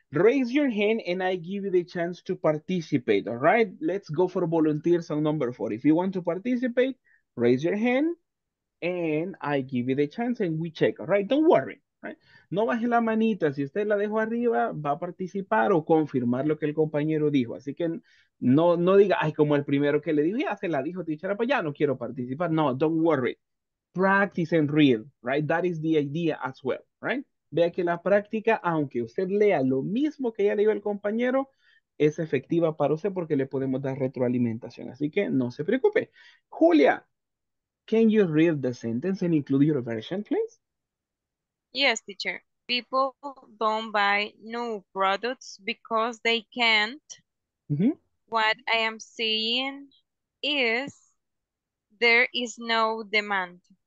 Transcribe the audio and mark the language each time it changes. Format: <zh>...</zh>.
<en>Raise your hand and I give you the chance to participate. All right? Let's go for volunteers on number four. If you want to participate, raise your hand and I give you the chance and we check. All right? Don't worry. Right?</en> <es>No baje la manita. Si usted la dejó arriba, va a participar o confirmar lo que el compañero dijo. Así que no diga, ay, como el primero que le dijo, ya se la dijo, tichara, pues ya no quiero participar.</es> <en>No, don't worry. Practice and read, right? That is the idea as well, right?</en> <es>Vea que la práctica, aunque usted lea lo mismo que ya le dijo el compañero, es efectiva para usted porque le podemos dar retroalimentación. Así que no se preocupe.</es> <en>Julia, can you read the sentence and include your version, please? Yes, teacher. People don't buy new products because they can't. Mm-hmm. What I am seeing is there is no demand.</en>